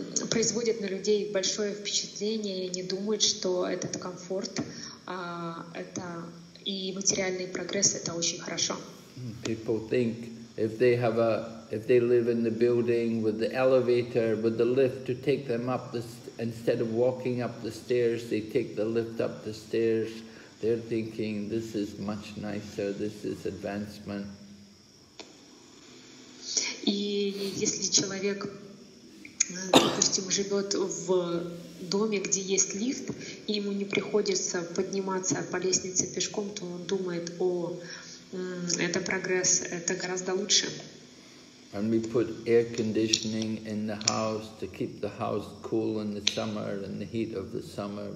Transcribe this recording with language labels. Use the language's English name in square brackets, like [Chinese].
[Russian] производит на людей большое впечатление, и они думают, что этот комфорт это и материальный прогресс — это очень хорошо. [English] People think if they have a, if they live in the building with the elevator, with the lift to take them up, the, instead of walking up the stairs, they take the lift up the stairs. They're thinking, this is much nicer, this is advancement. [Russian] И если человек, допустим, живет в доме, где есть лифт, и ему не приходится подниматься по лестнице пешком, то он думает, о, это прогресс, это гораздо лучше. [English] And we put air conditioning in the house to keep the house cool in the summer and the heat of the summer.